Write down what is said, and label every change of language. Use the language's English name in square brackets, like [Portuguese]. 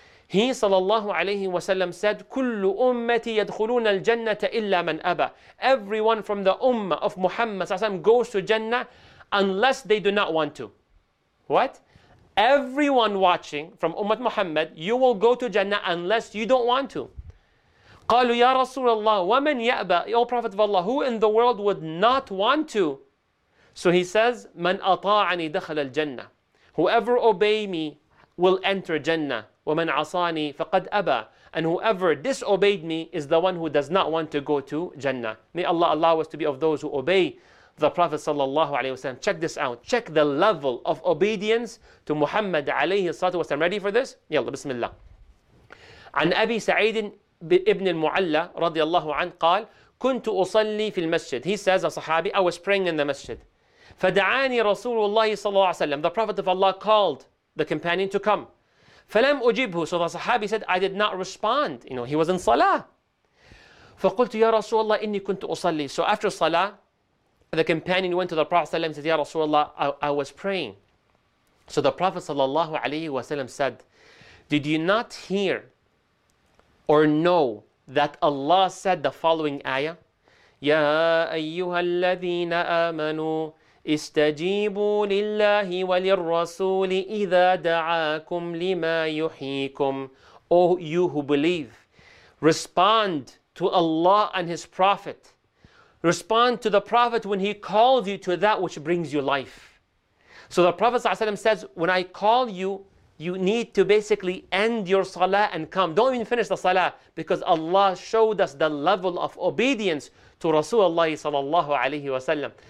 [English] He sallallahu alayhi wasallam said, [Arabic] كُلُّ أُمَّتِي يَدْخُلُونَ الْجَنَّةَ إِلَّا مَنْ أَبَى. [English] Everyone from the ummah of Muhammad sallallahu alayhi wasallam goes to Jannah unless they do not want to. What? Everyone watching from Ummat Muhammad, you will go to Jannah unless you don't want to. [Arabic] قَالُوا يَا رَسُولَ اللَّهِ وَمَنْ يَأْبَى. [English] O Prophet of Allah, who in the world would not want to? So he says, [Arabic] مَنْ أَطَاعَنِي دَخَلَ الْجَنَّةِ. [English] Whoever obey me will enter Jannah. [Arabic] وَمَنْ عَصَانِي فَقَدْ أَبَى. [English] And whoever disobeyed me is the one who does not want to go to Jannah. May Allah allow us to be of those who obey the Prophet sallallahu alayhi wasallam. Check this out. Check the level of obedience to Muhammad alayhi salatu wasallam. Ready for this? Yalla, bismillah. [Arabic] عن أبي سعيد ابن المعلى رضي الله عنه قال كنت أصلي في المسجد. [English] He says, a sahabi, I was praying in the masjid. [Arabic] فدعاني رسول الله صلى الله عليه وسلم. [English] The Prophet of Allah called the companion to come. [Arabic] فلم أجبه. [English] So the sahabi said, I did not respond. He was in salah. [Arabic] فقلت يا رسول الله إني كنت أصلي. [English] So after salah, the companion went to the Prophet and said, [Arabic] يا رسول الله, [English] I was praying. So the Prophet صلى الله عليه وسلم said, did you not hear or know that Allah said the following ayah? [Arabic] يا أيها الذين آمنوا استجيبوا لله وللرسول إذا دعاكم لما يحييكم. [English] O you who believe, respond to Allah and His Prophet. Respond to the Prophet when He calls you to that which brings you life. So the Prophet ﷺ says, when I call you, you need to basically end your salah and come. Don't even finish the salah, because Allah showed us the level of obedience to Rasulullah sallallahu alayhi wa sallam.